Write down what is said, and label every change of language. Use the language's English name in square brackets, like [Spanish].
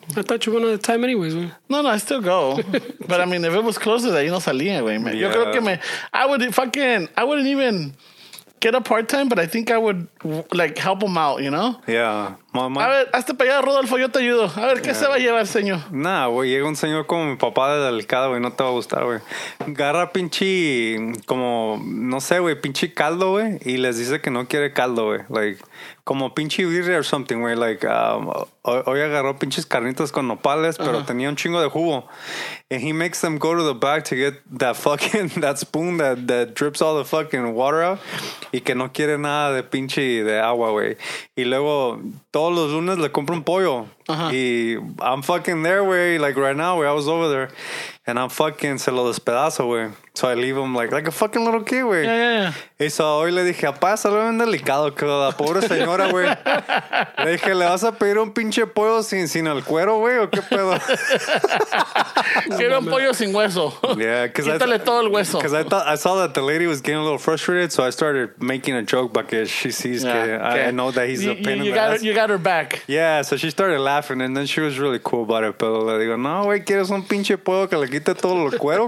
[English] I thought you went all the time anyways, man. No, I still go. But I mean, if it was closer, [Spanish] ahí no salía, güey, [English] man. Yeah. [Spanish] Yo creo que me... [English] I wouldn't even... get a part time, but I think I would like help him out, you know? Yeah. [Spanish] Mama. A ver, hasta para allá, Rodolfo, yo te ayudo. A ver, ¿qué se va a llevar, señor? Nah, güey, llega un señor como mi papá de delicado, güey, no te va a gustar, güey. Agarra pinche, como, no sé, güey, pinche caldo, güey, y les dice que no quiere caldo, güey. Like, como pinche birria [English] or something, [Spanish] güey. Like, hoy agarró pinches carnitas con nopales, pero tenía un chingo de jugo. [English] And he makes them go to the back to get that fucking, that spoon that drips all the fucking water out. [Spanish] Y que no quiere nada de pinche de agua, güey. Y luego, todos los lunes le compro un pollo. [English] Y I'm fucking there, güey. Like, right now, güey, I was over there. And I'm fucking, [Spanish] se lo despedazo, güey. [English] So I leave him like a fucking little kid, güey. Yeah. [Spanish] Y so hoy le dije, apá, salió bien delicado, que la pobre señora, güey. Le dije, ¿le vas a pedir un pinche pollo sin el cuero, güey? ¿O qué pedo? Quiero un pollo sin hueso. Yeah. Quítale todo el hueso. [English] Because I saw that the lady was getting a little frustrated, so I started making a joke because she sees I know that he's a pain in the ass. You got her back. Yeah, so she started laughing, and then she was really cool about it. [Spanish] Pero le digo, no, güey, ¿quieres un pinche pollo que le quite todo el cuero?